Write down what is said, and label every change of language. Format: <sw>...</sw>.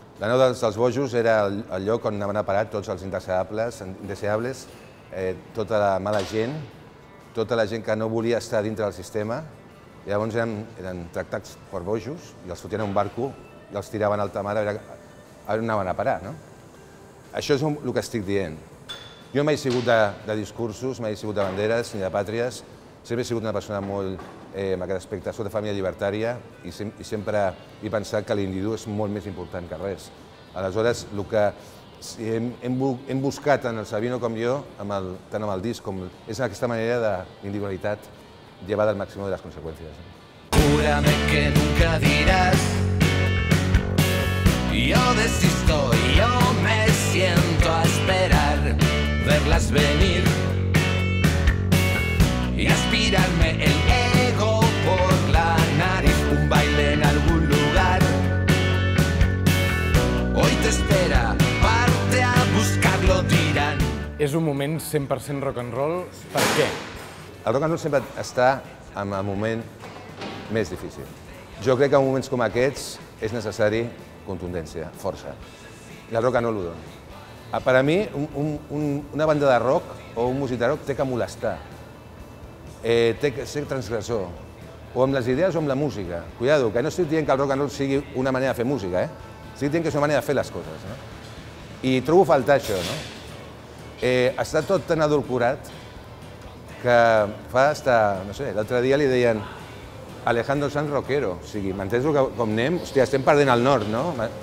<ca>La nau dels bojos era el lloc on anaven a parar tots els indeseables, tota la mala gent, tota la gent que no volia estar dintre del sistema. Llavors eren tractats per bojos i els fotien a un barco i els tiraven a alta mar a veure on anaven a parar, no? Això és el que estic dient. Jo mai he sigut de discursos, mai he sigut de banderes ni de pàtries,</ca> <es>siempre he sido una persona muy en</es> <ca>aquest aspecte,</ca> <es>soy de familia libertaria y siempre he pensado que el individuo es mucho más importante que</es> <ca>res. Aleshores,</ca> <es>lo que</es> <ca>hem buscat tant el Sabino com jo, tant amb el disc, com, és aquesta manera de individualitat llevada al màxim de les conseqüències.</ca> <es>Júrame que nunca dirás, yo desisto, yo me siento a esperar, verlas venir y aspirarme el ego por la nariz, un baile en algún lugar. Hoy te espera, parte a buscarlo, dirán.</es> <ca>És un moment 100% rock and roll. Per què? El rock and roll sempre està en el moment més difícil. Jo crec que en moments com aquests és necessari contundència, força. I el rock and roll ho dona. Per a mi, una banda de rock o un músic de rock té que molestar. Té que ser transgressor. O amb les idees o amb la música. Cuidado, que no estic dient que el rock and roll sigui una manera de fer música, eh? Estic dient que és una manera de fer les coses, no? I trobo a faltar això, no? Està tot tan edulcorat que fa hasta, no sé, l'altre dia li deien Alejandro Sanz rockero, o sigui, m'entens com anem? Hòstia, estem perdent el nord, no?</ca>